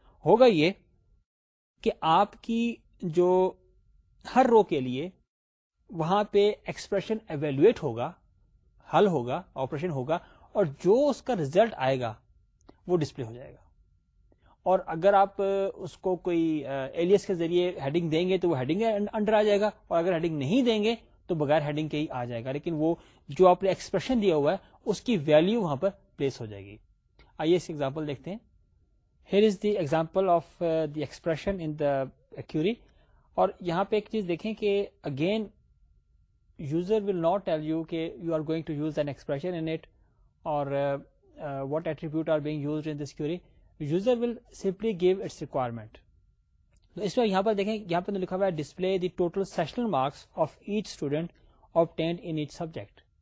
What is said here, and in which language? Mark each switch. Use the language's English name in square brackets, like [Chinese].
[Urdu] ہوگا یہ کہ آپ کی جو ہر رو کے لیے وہاں پہ ایکسپریشن ایویلویٹ ہوگا, حل ہوگا, آپریشن ہوگا, اور جو اس کا ریزلٹ آئے گا وہ ڈسپلے ہو جائے گا. اور اگر آپ اس کو کوئی ایلیس کے ذریعے ہیڈنگ دیں گے تو وہ ہیڈنگ انڈر آ جائے گا, اور اگر ہیڈنگ نہیں دیں گے تو بغیر ہیڈنگ کے ہی آ جائے گا, لیکن وہ جو آپ نے ایکسپریشن دیا ہوا ہے اس کی ویلیو وہاں پر پلیس ہو جائے گی. آئیے اس ایگزامپل دیکھتے ہیں. [English] Here is the example of the expression in the query. [Urdu] اور یہاں پہ ایک چیز دیکھیں کہ [English] Again user will not tell you کہ you are going to use an expression in it اور what attribute are being used in this query. User will simply give its requirement. [Urdu] تو اس میں یہاں پر دیکھیں, یہاں پہ لکھا ہوا ہے [English] Display the total sessional marks of each student obtained in each subject.